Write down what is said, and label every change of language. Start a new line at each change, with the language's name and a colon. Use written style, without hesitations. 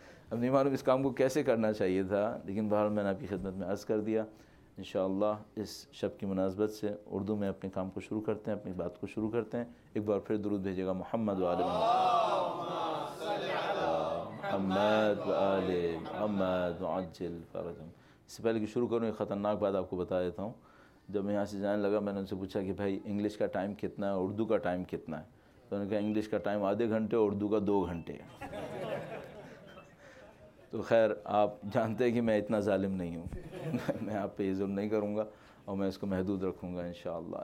Urdu: اب نہیں معلوم اس کام کو کیسے کرنا چاہیے تھا, لیکن بہرحال میں نے آپ کی خدمت میں عرض کر دیا. انشاءاللہ اس شب کی مناسبت سے اردو میں اپنے کام کو شروع کرتے ہیں, اپنی بات کو شروع کرتے ہیں. ایک بار پھر درود بھیجے گا محمد و آل محمد.
Arabic: اللہم صلی علی محمد و آل محمد و عجل فرجہم.
Urdu: اس سے پہلے کہ شروع کروں, ایک خطرناک بات آپ کو بتا دیتا ہوں. جب میں یہاں سے جانے لگا, میں نے ان سے پوچھا کہ بھائی انگلش کا ٹائم کتنا ہے, اردو کا ٹائم کتنا ہے. تو انہوں نے کہا انگلش کا ٹائم آدھے گھنٹے, اردو کا دو گھنٹے. تو خیر آپ جانتے ہیں کہ میں اتنا ظالم نہیں ہوں, میں آپ پہ یہ ظلم نہیں کروں گا اور میں اس کو محدود رکھوں گا انشاءاللہ.